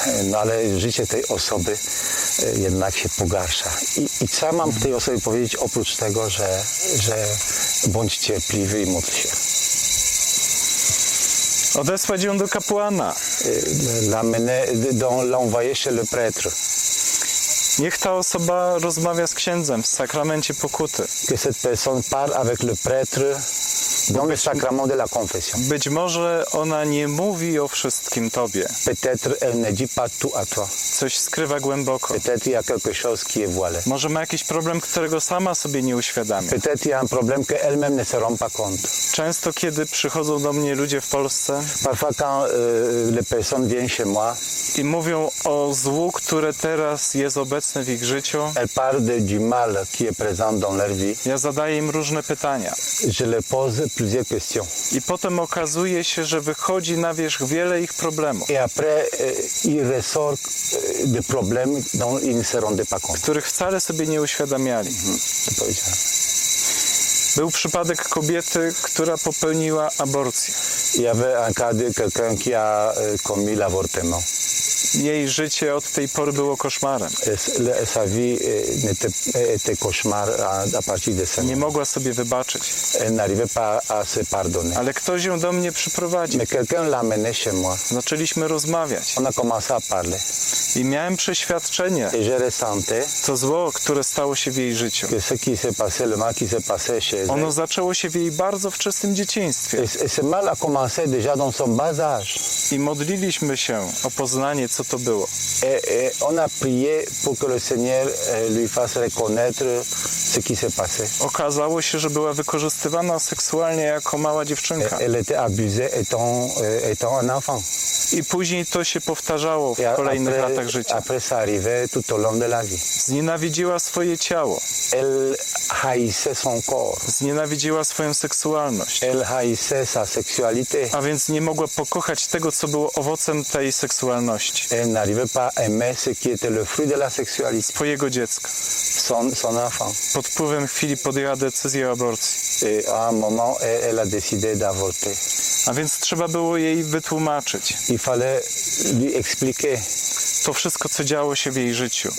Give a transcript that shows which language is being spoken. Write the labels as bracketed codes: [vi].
[pl] No ale życie tej osoby jednak się pogarsza. I co mam tej osobie powiedzieć oprócz tego, że bądź cierpliwy i módl się. Odesłać ją do kapłana. [fr] L'amener, l'envoyer chez le prêtre. [pl] Niech ta osoba rozmawia z księdzem w sakramencie pokuty. [fr] Que cette personne parle avec le prêtre dans le sacrement de la confession. [pl] Być może ona nie mówi o wszystkim tobie. [fr] Peut-être elle ne dit pas tout à toi. [pl] Coś skrywa głęboko. [fr] Peut-être il y a quelque chose qui est voilé. [pl] Może ma jakiś problem, którego sama sobie nie uświadamia. [fr] Peut-être il y a un problème que elle-même ne se rend pas compte. [pl] Często kiedy przychodzą do mnie ludzie w Polsce, [fr] parfois quand les personnes viennent chez moi, [pl] i mówią o złu, które teraz jest obecne w ich życiu. [fr] Elle parle du mal qui est présent dans leur vie. [pl] Ja zadaję im różne pytania. [fr] Je les pose plusieurs questions. [pl] I potem okazuje się, że wychodzi na wierzch wiele ich problemów. [fr] Et après, il ressort des problèmes dont ils ne se rendaient pas compte. [pl] Których wcale sobie nie uświadamiali. Był przypadek kobiety, która popełniła aborcję. [fr] Il y avait un cas de quelqu'un qui a commis l'avortement. [pl] Jej życie od tej pory było koszmarem. [fr] Sa vie était cauchemar à partir de ça. [pl] Nie mogła sobie wybaczyć. [fr] Elle n'arrivait pas à se pardonner. [pl] Ale ktoś ją do mnie przyprowadził. [fr] Mais quelqu'un l'a amené chez moi. [pl] Zaczęliśmy rozmawiać. [fr] On a commencé à parler. [pl] I miałem przeświadczenie. [fr] Et je ressentais. [pl] To zło, które stało się w jej życiu. [fr] Que ce qui s'est passé, le mal qui s'est passé chez elle. [pl] Ono zaczęło się w jej bardzo wczesnym dzieciństwie. [fr] Et ce mal a commencé déjà dans son bas âge. [pl] I modliliśmy się o poznanie, co to było. [fr] Et on a prié pour que le Seigneur lui fasse reconnaître ce qui s'est passé. [pl] Okazało się, że była wykorzystywana seksualnie jako mała dziewczynka. [fr] Elle était abusée étant un enfant. [pl] I później to się powtarzało w kolejnych latach życia. [fr] Après ça arrivait tout au long de la vie. [pl] Znienawidziła swoje ciało. [fr] Elle haïssait son corps. [pl] Znienawidziła swoją seksualność. [fr] Elle haïssait sa sexualité. [pl] A więc nie mogła pokochać tego, co było owocem tej seksualności. [fr] Elle n'arrivait pas à aimer ce qui était le fruit de la sexualité. [pl] Swojego dziecka. [fr] Son enfant. [pl] Pod wpływem chwili podjęła decyzję o aborcji. [fr] Et à un moment, elle a décidé d'avorter. [pl] A więc trzeba było jej wytłumaczyć. [fr] Il fallait lui expliquer. [pl] To wszystko, co działo się w jej życiu.